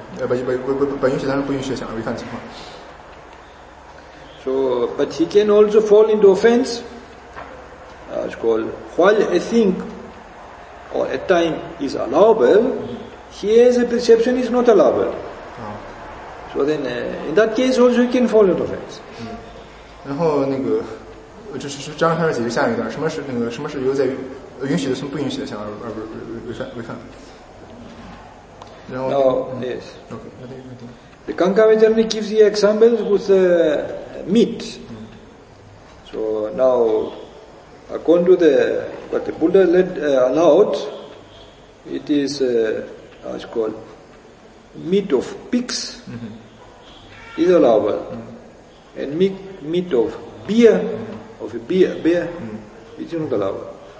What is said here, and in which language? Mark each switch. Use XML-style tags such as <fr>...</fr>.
<zh>他把那个非时当成事实，那这两种把允许当成不允许想违反的情况。</zh> <en>So, but he can also fall into offense. It's called while a thing or a time is allowable, he has a perception is not allowable. So then, in that case, also he can fall into offense.</en> <zh>然后那个，这是张开始解释下一段，什么是由在于。允许的从不允许的想而违反。</zh> <en>Now, yes. The Kankavacharya gives the examples with the meat. So now, according to what the Buddha allowed, it is it's called meat of pigs is allowable, and meat of beer of a bear is not allowable.</en>